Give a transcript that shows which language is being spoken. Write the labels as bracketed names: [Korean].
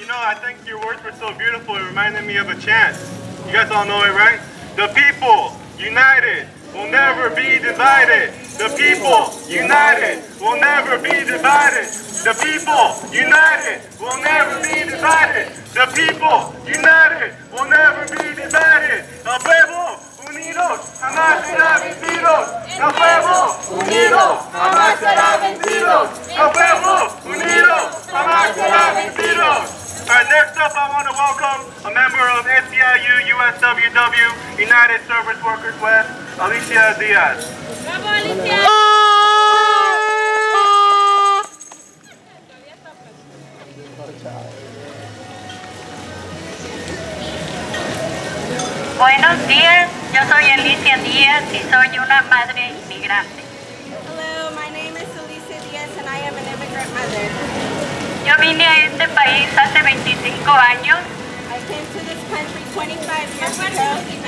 [English] You know, I think your words were so beautiful. It reminded me of a chant. You guys all know it, right? The people united will never be divided. The people united will never be divided. The people united will never be divided. The people united will never be divided. [Spanish] El pueblo unido jamás será vencido. El pueblo unido jamás será vencido. El pueblo unido jamás será vencido. [English] Alright, next up, I want to welcome a member of SEIU USWW United Service Workers West, Alicia Diaz. Bravo, Alicia. [Spanish] Buenos días, yo soy Alicia Diaz y soy una madre inmigrante. [English] Hello, my name is Alicia Diaz and I am an immigrant mother. [Spanish] Yo vine a este país hace 25 años. [English] I came to this country 25 years ago.